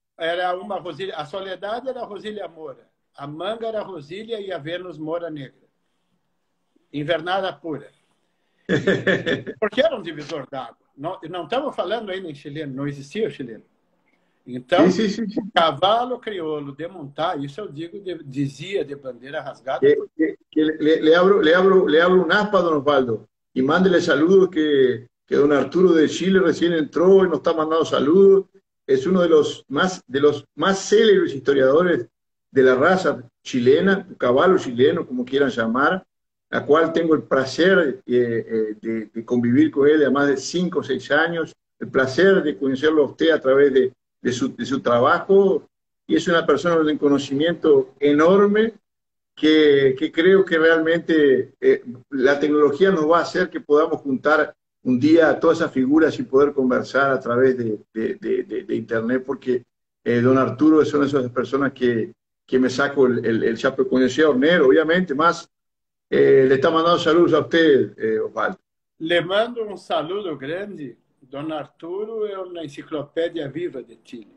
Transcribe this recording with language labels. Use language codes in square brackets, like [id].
[pt] Era uma Rosília, a Soledade era a Rosília Moura, a Manga era a Rosília e a Vênus Moura Negra. Invernada pura. E porque era um divisor d'água. Não estamos falando ainda em chileno, não existia o chileno. Sim, Então, o cavalo crioulo de montar, isso eu digo, dizia de bandeira rasgada, porque. [es] le abro un aspa, don Osvaldo, y mándele saludos que don Arturo de Chile recién entró y nos está mandando saludos. Es uno de los más célebres historiadores de la raza chilena, caballo chileno, como quieran llamar, la cual tengo el placer de convivir con él a más de 5 o 6 años, el placer de conocerlo a usted a través de su trabajo, y es una persona de un conocimiento enorme que creo que realmente la tecnología nos va a hacer que podamos juntar un día a todas esas figuras y poder conversar a través de Internet, porque don Arturo es una de esas personas que me saco el chapéu. Conocía a Ornero, obviamente, más le está mandando saludos a usted, Osvaldo. Le mando [pt] um saludo grande, Dona Arturo é uma enciclopédia viva de Chile.